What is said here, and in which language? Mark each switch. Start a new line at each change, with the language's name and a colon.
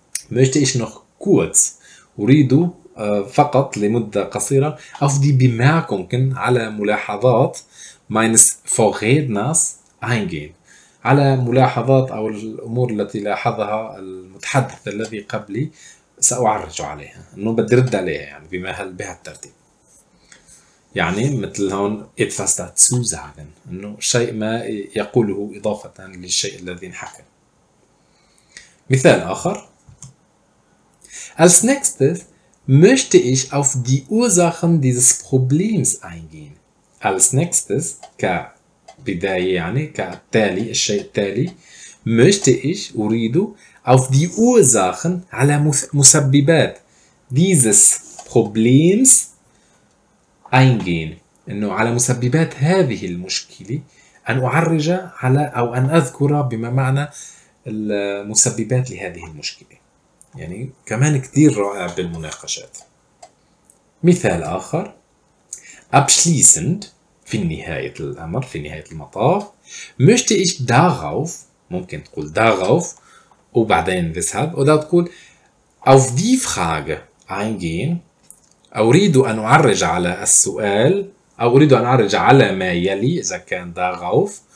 German: möchte ich noch kurz,
Arabic: أريد فقط لمدة قصيرة
German: auf die Bemerkungen,
Arabic: على ملاحظات
German: meines Vorredners eingehen,
Arabic: على ملاحظات أو الأمور التي لاحظها المتحدث الذي قبلي سأعرج عليها, أنه بدي رد عليها يعني بما هل بها الترتيب, يعني مثل هون
German: etwas dazu sagen,
Arabic: أنه شيء ما يقوله إضافة للشيء الذي انحكى. مثال آخر
German: Als nächstes möchte ich auf die Ursachen dieses Problems eingehen. Als nächstes,
Arabic: كبداية يعني كالتالي الشيء التالي,
German: möchte ich,
Arabic: أريد,
German: auf die Ursachen,
Arabic: على مسببات
German: dieses Problems eingehen.
Arabic: إنه على مسببات هذه المشكلة أن أعرج على أو أن أذكر بما معنى المسببات لهذه المشكلة. يعني كمان كثير رائع بالمناقشات. مثال آخر
German: abschließend,
Arabic: في نهاية الأمر في نهاية المطاف
German: möchte ich darauf,
Arabic: ممكن تقول darauf وبعدين weshalb, أو تقول
German: auf die Frage eingehen,
Arabic: أريد أن أعرج على السؤال أو أريد أن أعرج على ما يلي إذا كان darauf.